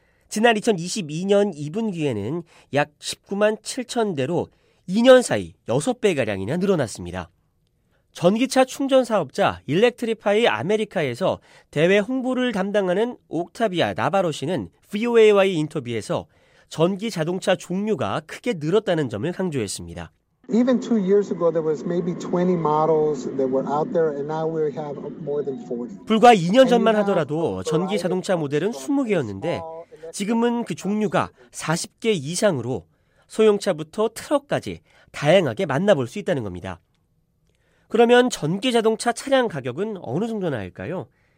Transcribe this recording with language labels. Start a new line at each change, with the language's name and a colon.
Korean: 지난 2022년 2분기에는 약 19만 7천 대로 2년 사이 6배가량이나 늘어났습니다. 전기차 충전 사업자 일렉트리파이 아메리카에서 대외 홍보를 담당하는 옥타비아 나바로 씨는 VOA와의 인터뷰에서 전기 자동차 종류가 크게 늘었다는 점을 강조했습니다.
English: Even 2 years ago there was maybe 20 models that were out there and now we have more than 40.
Korean: 불과 2년 전만 하더라도 전기 자동차 모델은 20개였는데 지금은 그 종류가 40개 이상으로 소형차부터 트럭까지 다양하게 만나볼 수 있다는 겁니다. 그러면 전기 자동차 차량 가격은 어느 정도나 할까요?